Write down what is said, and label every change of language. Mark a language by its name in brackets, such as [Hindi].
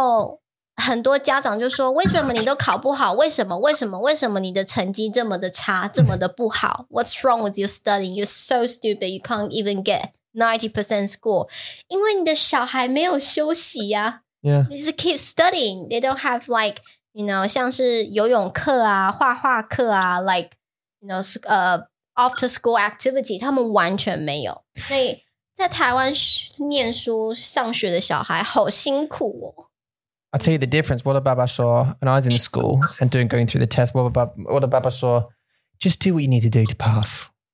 [Chinese] 对,然后很多家长就说, 为什么你都考不好?为什么?为什么? 为什么你的成绩这么的差? 这么的不好? [English] What's wrong with your studying? You're so stupid, you can't even get 90% score. [Chinese] 因为你的小孩没有休息啊, [English] yeah. You just keep studying. They don't have like, you know, [Chinese] 像是游泳课啊, 画画课啊, [English] like, you know, after school activity, [Chinese] 他们完全没有. 所以在台湾念书上学的小孩好辛苦哦。 [English] I'll tell you the difference. What a Baba saw when I was in school and doing, going through the test. What a Baba saw, just do what you need to do to pass.